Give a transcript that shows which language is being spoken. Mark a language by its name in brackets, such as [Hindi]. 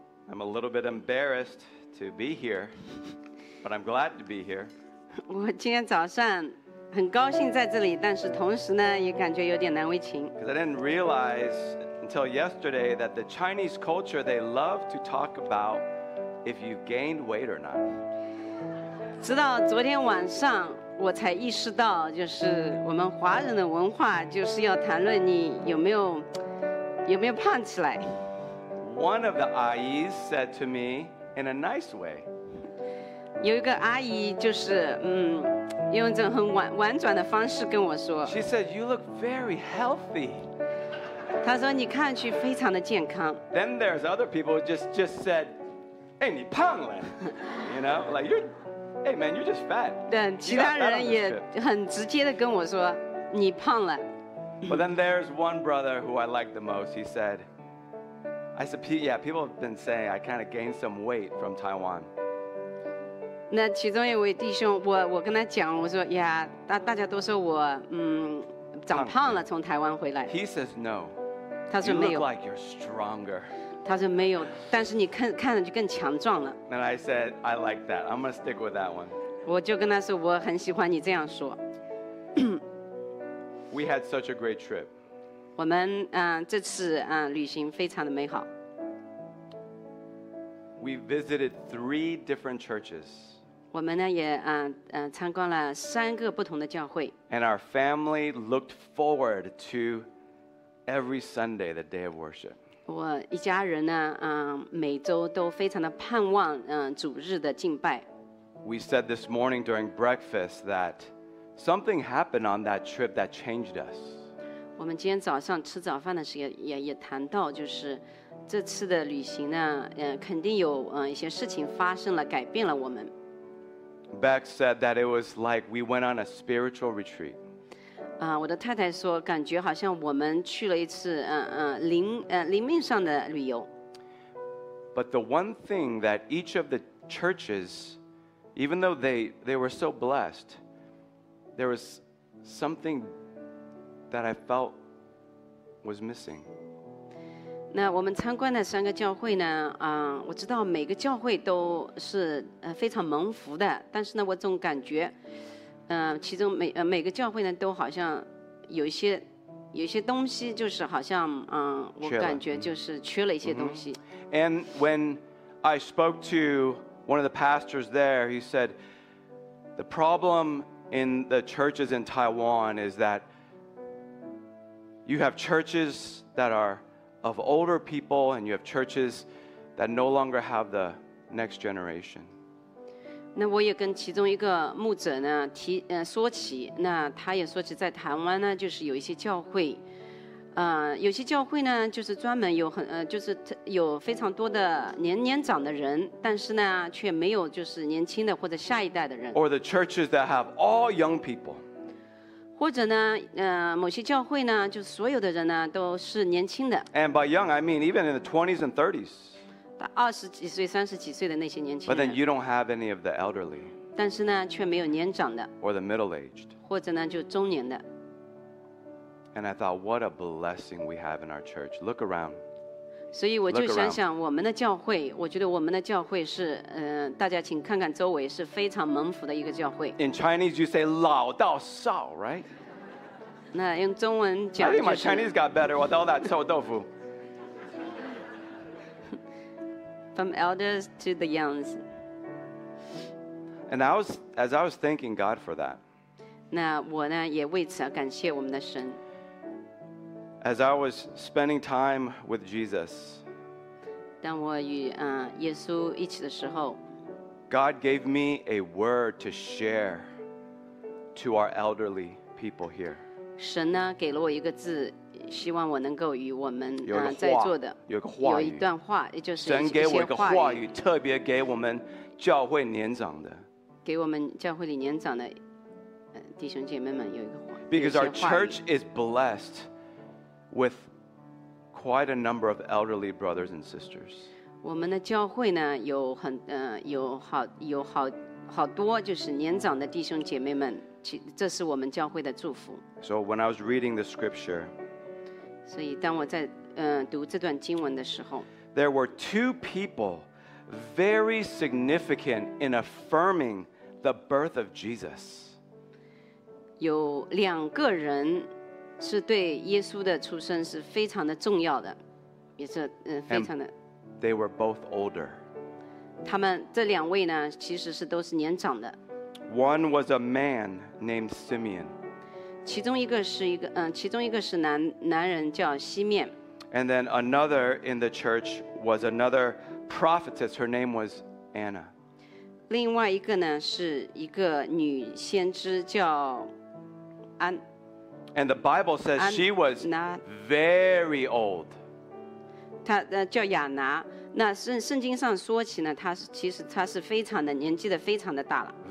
[English] I'm a little bit embarrassed to be here, but I'm glad to be here. [Chinese] 我今天早上很高兴在这里，但是同时呢，也感觉有点难为情。 [English] Because I didn't realize until yesterday that the Chinese culture they love to talk about if you gained weight or not. [Chinese] 直到昨天晚上。我才意识到，就是我们华人的文化，就是要谈论你有没有胖起来。 [English] One of the 阿姨 said to me in a nice way. [Chinese] 有一个阿姨就是用一种很婉转的方式跟我说。 [English] She said, "You look very healthy." [Chinese] 她说你看去非常的健康。 [English] Then there's other people just said, "Hey, [Chinese] 你胖了 [English] you know, like you're." Hey man, you're just fat. [Chinese] 但其他人也很直接地跟我说，你胖了。 [English] But then there's one brother who I like the most. He said, "I said, yeah, people have been saying I kind of gained some weight from Taiwan." [Chinese] 那其中一位弟兄，我跟他讲，我说呀，大家都说我长胖了，从台湾回来。 [English] He says no. [Chinese] 他说没有。 [English] You look like you're stronger. [Chinese] 他说没有，但是你看上去更强壮了。 [English] And I said, I like that. I'm gonna stick with that one. [Chinese] 我就跟他说，我很喜欢你这样说。 [English] We had such a great trip. [Chinese] 我们这次旅行非常的美好。 [English] We visited three different churches. [Chinese] 我们呢也参观了三个不同的教会。 [English] And our family looked forward to every Sunday, the day of worship. [Chinese] 我一家人呢，每周都非常的盼望，主日的敬拜。 [English] We said this morning during breakfast that something happened on that trip that changed us. [Chinese] 我们今天早上吃早饭的时候也谈到，就是这次的旅行呢，肯定有一些事情发生了，改变了我们。 [English] Beck said that it was like we went on a spiritual retreat. [Chinese] 我的太太说，感觉好像我们去了一次，灵命上的旅游。 [English] But the one thing that each of the churches, even though they were so blessed, there was something that I felt was missing. [Chinese] 那我们参观的三个教会呢？我知道每个教会都是非常蒙福的，但是呢，我总感觉。其中每个教会呢都好像有一些东西，就是好像我感觉就是缺了一些东西。 [English] And when I spoke to one of the pastors there, he said the problem in the churches in Taiwan is that you have churches that are of older people and you have churches that no longer have the next generation. [Chinese] 那我也跟其中一个牧者呢说起，那他也说起在台湾呢，就是有一些教会，有些教会呢就是专门有就是有非常多的年长的人，但是呢却没有就是年轻的或者下一代的人。 [English] Or the churches that have all young people. [Chinese] 或者呢，某些教会呢，就所有的人呢都是年轻的。 [English] And by young, I mean even in the 20s and 30s. [Chinese] 二十几岁、三十几岁的那些年轻人。 [English] But then you don't have any of the elderly. [Chinese] 但是呢，却没有年长的。 [English] Or the middle-aged. [Chinese] 或者呢，就中年的。 [English] And I thought, what a blessing we have in our church. Look around. [Chinese] 所以我就想想我们的教会，我觉得我们的教会是，大家请看看周围是非常蒙福的一个教会。 [English] In Chinese, you say [Chinese] 老到少 [English] right? [Chinese] 那用中文讲。 [English] I think my Chinese got better with all that 臭豆腐。 From elders to the young. And as I was thanking God for that. [Chinese] 那我呢也为此而感谢我们的神。 [English] As I was spending time with Jesus. [Chinese] 当我与耶稣一起的时候。 [English] God gave me a word to share to our elderly people here. [Chinese] 神呢给了我一个字。希望我能够与我们在座的有个话语，有一段话，也就是神给我一个话语，特别给我们教会年长的，给我们教会里年长的弟兄姐妹们有一个话。 [English] Because our church is blessed with quite a number of elderly brothers and sisters. [Chinese] 我们的教会呢有很有好多就是年长的弟兄姐妹们，这是我们教会的祝福。 [English] So when I was reading the scripture. [Chinese] 所以当我在读这段经文的时候 [English] there were two people very significant in affirming the birth of Jesus. [Chinese] 有两个人是对耶稣的出生是非常的重要的，也是非常的。 [English] They were both older. [Chinese] 他们这两位呢，其实是都是年长的。 [English] One was a man named Simeon. [Chinese] 其中一个是一个其中一个是男人叫西面。 [English] And then another in the church was another prophetess. Her name was Anna. [Chinese] 另外一个呢是一个女先知叫安。 [English] And the Bible says she was very old. [Chinese] 她叫亚拿。那圣经上说起呢，她是其实她是非常的年纪的非常的大了。